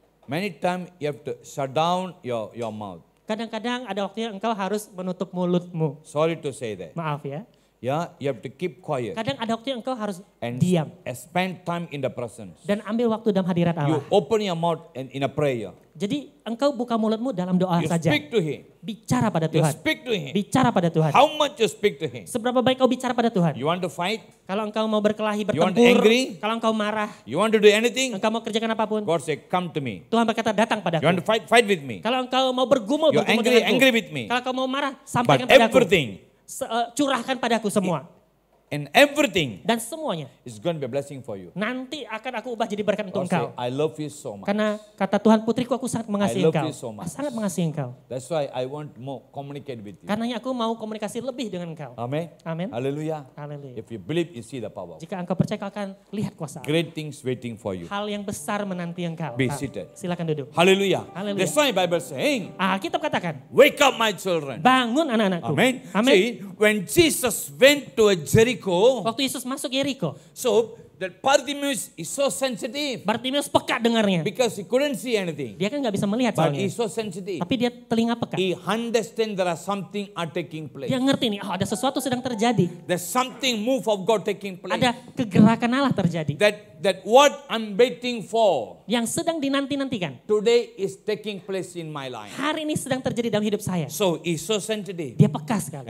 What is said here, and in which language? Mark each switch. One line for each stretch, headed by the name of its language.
English: Many times you have to shut down your mouth.
Indonesian: Kadang-kadang ada waktunya engkau harus menutup mulutmu.
English: Sorry to say that.
Indonesian: Maaf ya.
English: Yeah, you have to keep quiet.
Indonesian: Kadang ada waktunya engkau harus diam.
English: And spend time in the presence.
Indonesian: Dan ambil waktu dalam hadirat Allah.
English: You open your mouth and in a prayer.
Indonesian: Jadi engkau buka mulutmu dalam doa
English: you
Indonesian: saja.
English: Speak to him.
Indonesian: Bicara pada Tuhan.
English: You speak to him.
Indonesian: Bicara pada Tuhan.
English: How much you speak to him?
Indonesian: Seberapa baik kau bicara pada Tuhan?
English: You want to fight?
Indonesian: Kalau engkau mau berkelahi, bertempur.
English: You want to angry?
Indonesian: Kalau engkau marah.
English: You want to do anything?
Indonesian: Engkau mau kerjakan apapun.
English: God say, come to me.
Indonesian: Tuhan berkata, datang padaku.
English: You want to fight? Fight with me.
Indonesian: Kalau engkau mau bergumul,
English: you're
Indonesian: bergumul
English: angry, angry with me.
Indonesian: Kalau engkau mau marah, sampaikan padaku.
English: But everything.
Indonesian: Curahkan padaku semua.
English: And everything.
Indonesian: Dan semuanya.
English: Is going to be a blessing for you.
Indonesian: Nanti akan aku ubah jadi berkat untuk engkau.
English: I love you so much.
Indonesian: Karena kata Tuhan putriku aku sangat mengasihi engkau.
English: I love you so much.
Indonesian: Sangat mengasihi engkau.
English: That's why I want more communicate with you.
Indonesian: Karenanya aku mau komunikasi lebih dengan engkau. Amen. Amen. Haleluya. Haleluya.
English: If you believe you see the power.
Indonesian: Jika engkau percaya kau akan lihat kuasa.
English: Great things waiting for you.
Indonesian: Hal yang besar menanti engkau.
English: Be seated.
Indonesian: Silakan duduk. Haleluya. Haleluya.
English: That's why Bible saying.
Indonesian: Alkitab katakan.
English: Wake up my children.
Indonesian: Bangun anak-anakku. Amen. Amen.
English: See, when Jesus went to a Jericho.
Indonesian: Waktu Yesus masuk Jericho.
English: So that Bartimaeus is so sensitive.
Indonesian: Bartimaeus peka dengarnya.
English: Because he couldn't see anything.
Indonesian: Dia kan enggak bisa melihat soalnya.
English: But he's so sensitive.
Indonesian: Tapi dia telinga peka.
English: He understand there are something are taking place.
Indonesian: Dia ngerti nih, ada sesuatu sedang terjadi.
English: There's something move of God taking place.
Indonesian: Ada kegerakan Allah terjadi.
English: That what I'm waiting for.
Indonesian: Yang sedang dinanti-nantikan.
English: Today is taking place in my life.
Indonesian: Hari ini sedang terjadi dalam hidup saya.
English: So he's so sensitive.
Indonesian: Dia peka sekali.